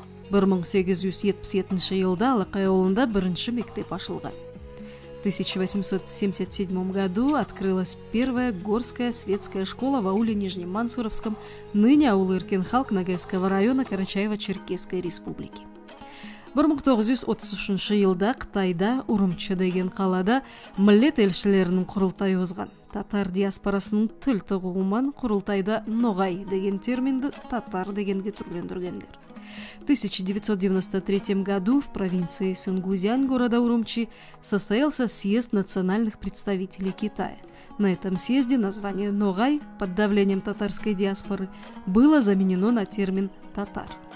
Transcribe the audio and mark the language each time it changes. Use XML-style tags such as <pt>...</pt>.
<nog>1877 жылда Алақай ауылында бірінші мектеп ашылған.</nog> <ru>1877 году открылась первая горская светская школа в ауле Нижнем Мансуровском, ныне аулы Иркенхалк Ногайского района Карачаево-Черкесской республики.</ru> <nog>1933 жылда Қытайда Урумчы деген қалада мүллет елшілерінің құрылтайы озған. Татар диаспорасының тіл тұғымын құрылтайда «ноғай» деген терминді «татар» дегенге түрлендіргендер.</nog> <ru>1993 году в провинции Сунгузян города Урумчи состоялся съезд национальных представителей Китая. На этом съезде название «ноғай» под давлением татарской диаспоры было заменено на термин «татар».</ru>